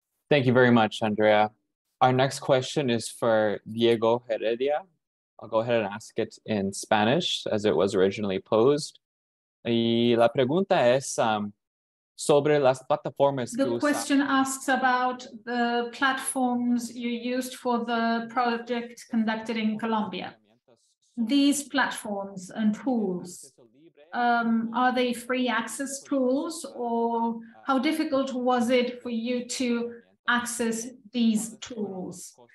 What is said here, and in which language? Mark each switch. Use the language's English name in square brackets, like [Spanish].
[English] Thank you very much, Andrea. Our next question is for Diego Heredia. I'll go ahead and ask it in Spanish as it was originally posed. [Spanish] Y la pregunta es sobre las plataformas que usas. [English] Question asks about the platforms you used for the project conducted in Colombia. These platforms and tools, are they free access tools, or how difficult was it for you to access these tools?